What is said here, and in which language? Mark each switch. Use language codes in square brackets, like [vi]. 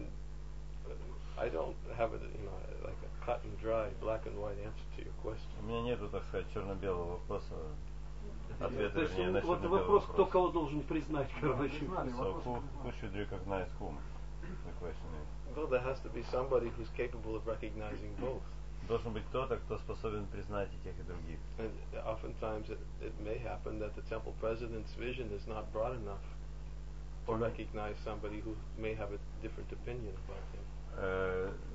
[en] And I don't have a, you know, like a cut and dry, black and white answer to your question. [ru] У меня нету, так сказать, черно-белого вопроса. Ответа не на черно-белый вопрос. Кто кого должен признать, короче? [en] Who should recognize whom? The question is. Well, there has to be somebody who's capable of recognizing both. [ru] Должен быть кто-то, кто способен признать и тех, и других. [en] And oftentimes it may happen that the temple president's vision is not broad enough to recognize somebody who may have a different opinion about him.